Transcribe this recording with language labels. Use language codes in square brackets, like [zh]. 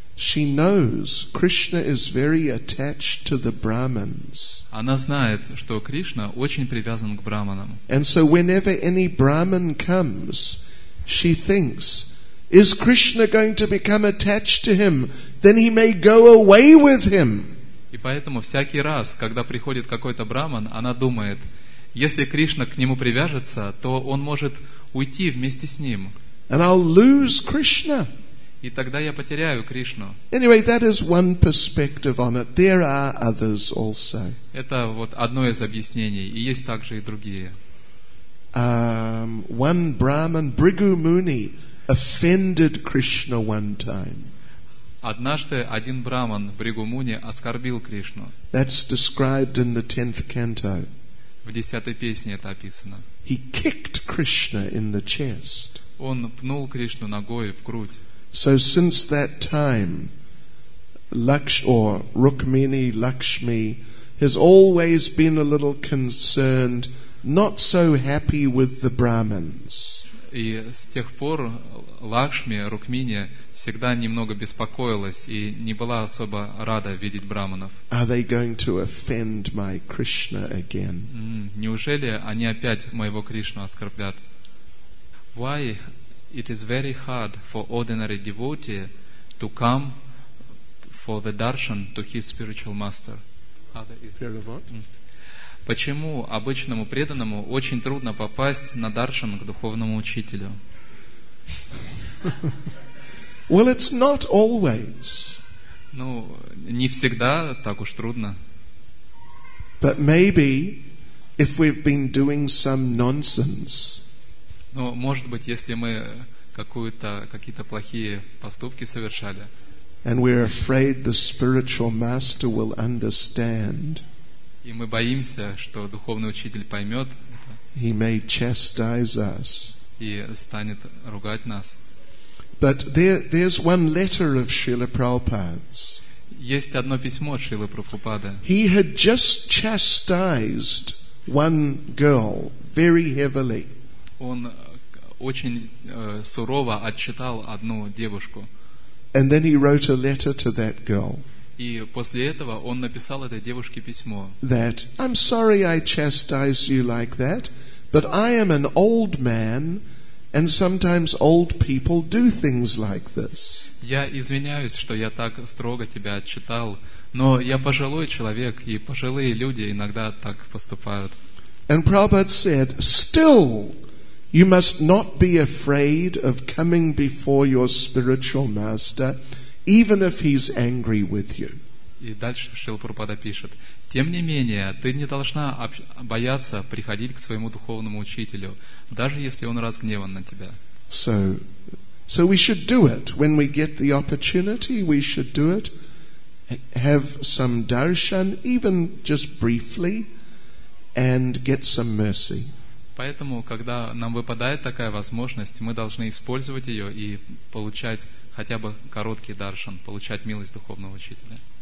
[en] She knows Krishna is very attached to the Brahmins. [ru] Она знает, что Кришна очень привязан к браманам. [en] And so whenever any Brahmin comes, she thinks, is Krishna going to become attached to him? Then he may go away with him. [ru] И поэтому всякий раз, когда приходит какой-то браман, она думает, если Кришна к нему привяжется, то он может уйти вместе с ним. [en] And I'll lose Krishna. [ru] И тогда я потеряю Кришну. [en] Anyway, that is one perspective on it. There are others also. [ru] Это вот одно из объяснений, и есть также и другие. [en] One Brahmin, Bhrigu Muni, offended Krishna one time. [ru] Однажды один браман Бригу Муни оскорбил Кришну. [en] That's described in the 10th canto. [ru] В 10-й песне это описано. [en] He kicked Krishna in the chest. [ru] Он пнул Кришну ногой в грудь. [en] So since that time, Rukmini Lakshmi has always been a little concerned, not so happy with the Brahmins. [ru] И с тех пор Лакшми, Рукмини, всегда немного беспокоилась и не была особо рада видеть браманов. [en] Are they going to offend my Krishna again? [ru] Неужели они опять моего Кришну оскорблят? [en] Why it is very hard for ordinary devotee to come for the darshan to his spiritual master? [ru] Почему обычному преданному очень трудно попасть на даршан к духовному учителю? [en] Well, it's not always. [ru] Ну, не всегда так уж трудно. [en] But maybe if we've been doing some nonsense. [ru] Ну, может быть, если мы какие-то плохие поступки совершали. [en] And we're afraid the spiritual master will understand. [ru] И мы боимся, что духовный учитель поймет это. [en] He may chastise us. [ru] И станет ругать нас. [en] But there's one letter of Srila Prabhupada's. [ru] Есть одно письмо от Шрилы Прабхупады. [en] He had just chastised one girl very heavily. [ru] Он очень сурово отчитал одну девушку. [en] And then he wrote a letter to that girl. [ru] И после этого он написал этой девушке письмо. [en] That I'm sorry I chastised you like that, but I am an old man. And sometimes old people do things like this. [ru] Я извиняюсь, что я так строго тебя отчитал, но я пожилой человек, и пожилые люди иногда так поступают. [en] And Prabhupada said, still, you must not be afraid of coming before your spiritual master, even if he's angry with you. [ru] И дальше Шрила Прабхупада пишет: тем не менее, ты не должна бояться приходить к своему духовному учителю, даже если он разгневан на тебя. [en] So we should do it. When we get the opportunity, we should do it. Have some darshan, even just briefly, and get some mercy. [ru] Поэтому, когда нам выпадает такая возможность, мы должны использовать ее и получать хотя бы короткий даршан, получать милость духовного учителя.